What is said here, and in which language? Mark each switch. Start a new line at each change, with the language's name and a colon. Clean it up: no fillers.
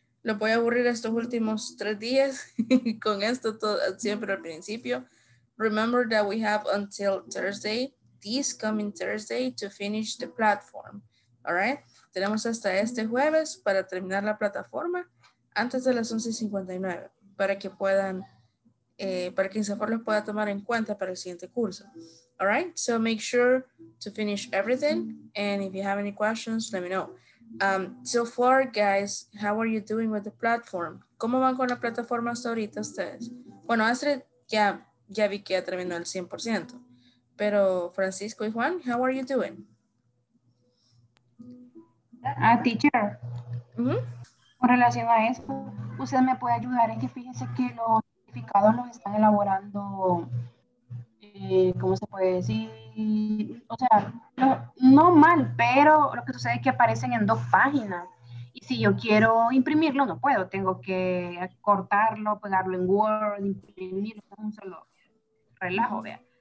Spanish: Lo voy a aburrir estos últimos tres días con esto todo siempre al principio.
English: Remember that we have until Thursday, this coming Thursday, to finish the platform, all right?
Spanish: Tenemos hasta este jueves para terminar la plataforma antes de las 11:59 para que puedan, para que INSAFORP los pueda tomar en cuenta para el siguiente curso.
English: All right, so make sure to finish everything. And if you have any questions, let me know. So far, guys, how are you doing with the platform?
Spanish: ¿Cómo van con la plataforma hasta ahorita ustedes? Bueno, Astrid, ya vi que ya terminó el 100%.
English: Pero Francisco y Juan, how are you doing?
Spanish: Teacher, con relación a esto, usted me puede ayudar, es que fíjese que los certificados los están elaborando, ¿cómo se puede decir? O sea, no mal, pero lo que sucede es que aparecen en dos páginas, y si yo quiero imprimirlo, no puedo, tengo que cortarlo, pegarlo en Word, imprimirlo, un solo relajo, vea.